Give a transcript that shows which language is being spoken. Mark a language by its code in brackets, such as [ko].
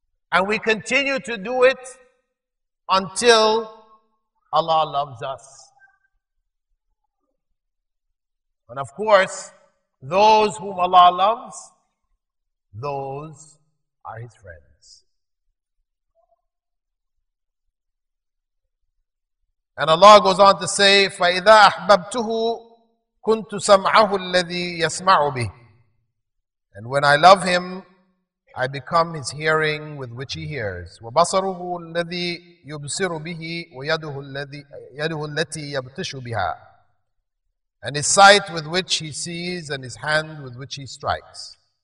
[en] And we continue to do it until Allah loves us. And of course, those whom Allah loves, those are His friends. And Allah goes on to say, [ar] فَإِذَا أَحْبَبْتُهُ كُنْتُ سَمْعَهُ الَّذِي يَسْمَعُ بِهِ. [en] And when I love Him, I become His hearing with which He hears. [ar] وَبَصَرُهُ الَّذِي يُبْصِرُ بِهِ وَيَدُهُ الَّتِي يَبْتِشُ بِهَا. [en] And His sight with which He sees and His hand with which He strikes.